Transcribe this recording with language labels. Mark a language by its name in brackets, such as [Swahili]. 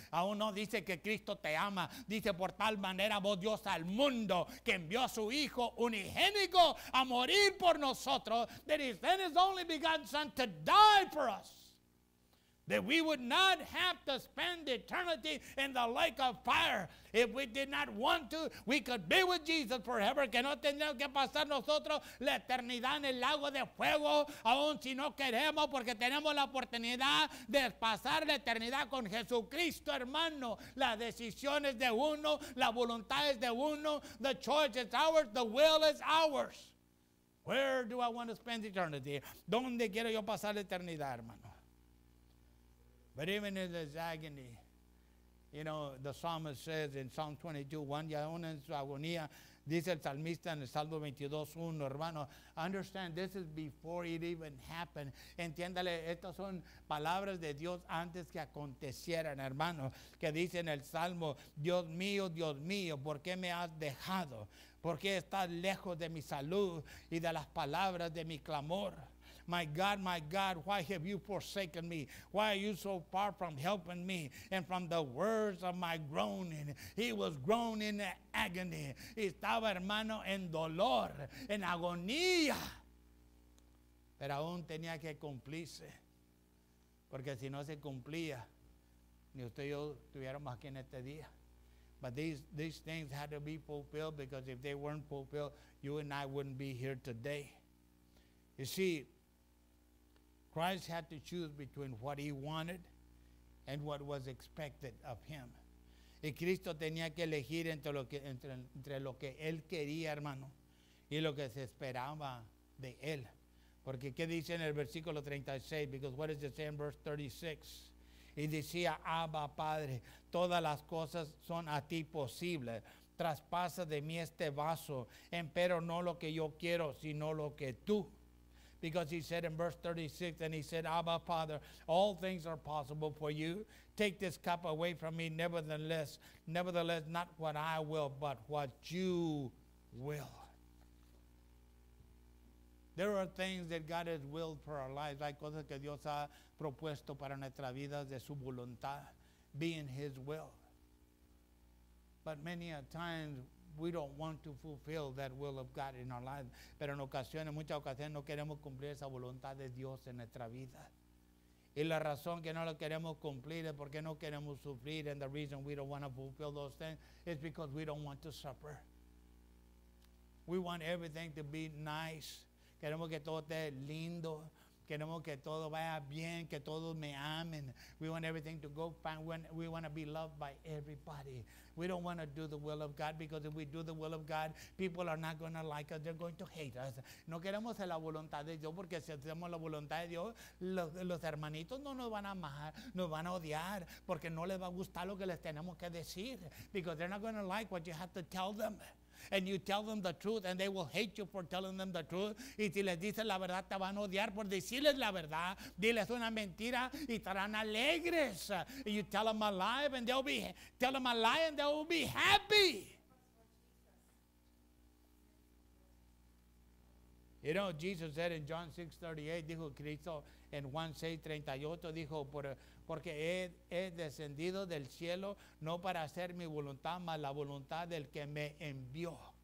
[Spanish] Aún no dice que Cristo te ama. Dice, por tal manera amó Dios al mundo, que envió a su Hijo unigénito a morir por nosotros. [English] That he sent his only begotten Son to die for us. That we would not have to spend eternity in the lake of fire. If we did not want to, we could be with Jesus forever. [Spanish] Que no tendríamos que pasar nosotros la eternidad en el lago de fuego, aun si no queremos, porque tenemos la oportunidad de pasar la eternidad con Jesucristo, hermano. La decisión es de uno, la voluntad es de uno. [English] The choice is ours, the will is ours. Where do I want to spend eternity? [Spanish] ¿Dónde quiero yo pasar la eternidad, hermano? [English] But even in his agony, you know, the psalmist says in Psalm 22:1, [Spanish] ya aún en su agonía, Dice el salmista en el Salmo 22:1, hermano, [English] understand, this is before it even happened. [Spanish] Entiéndale, estas son palabras de Dios antes que acontecieran, hermano, que dice en el Salmo, Dios mío, ¿por qué me has dejado? ¿Por qué estás lejos de mi salud y de las palabras de mi clamor? [English] My God, why have you forsaken me? Why are you so far from helping me? And from the words of my groaning, he was groaning in agony. [Spanish] Estaba, hermano, en dolor, en agonía. Pero aún tenía que cumplirse. Porque si no se cumplía, ni usted y yo estuviéramos aquí en este día. [English] But these things had to be fulfilled, because if they weren't fulfilled, you and I wouldn't be here today. You see, Christ had to choose between what he wanted and what was expected of him. [Spanish] Y Cristo tenía que elegir entre lo que él quería, hermano, y lo que se esperaba de él. Porque ¿qué dice en el versículo 36? [English] Because what does it say in verse 36? [Spanish] Y decía, Abba, Padre, todas las cosas son a ti posibles. Traspasa de mí este vaso, empero no lo que yo quiero, sino lo que tú. [English] Because he said in verse 36, and he said, Abba, Father, all things are possible for you. Take this cup away from me. Nevertheless, not what I will, but what you will. There are things that God has willed for our lives. [Spanish] Hay cosas que Dios ha propuesto para nuestra vida de su voluntad, [English] being his will. But many a times, we don't want to fulfill that will of God in our lives. [Spanish] Pero en ocasiones, muchas ocasiones, no queremos cumplir esa voluntad de Dios en nuestra vida. Y la razón que no lo queremos cumplir es porque no queremos sufrir. [English] And the reason we don't want to fulfill those things is because we don't want to suffer. We want everything to be nice. [Spanish] Queremos que todo esté lindo. Queremos que todo vaya bien, que todos me amen. [English] We want everything to go fine. We want to be loved by everybody. We don't want to do the will of God, because if we do the will of God, people are not going to like us. They're going to hate us. [Spanish] No queremos hacer la voluntad de Dios, porque si hacemos la voluntad de Dios, los hermanitos no nos van a amar, nos van a odiar, porque no les va a gustar lo que les tenemos que decir. [English] Because they're not going to like what you have to tell them. And you tell them the truth, and they will hate you for telling them the truth. [Spanish] Y si les dices la verdad, te van a odiar por decirles la verdad. Diles una mentira y estarán alegres. [English] And you tell them a lie, and they'll be tell them a lie, and they'll be happy. You know, Jesus said in John 6:38, [Spanish] dijo Cristo en Juan 6:38, dijo, porque he descendido del cielo no para hacer mi voluntad, mas la voluntad del que me envió.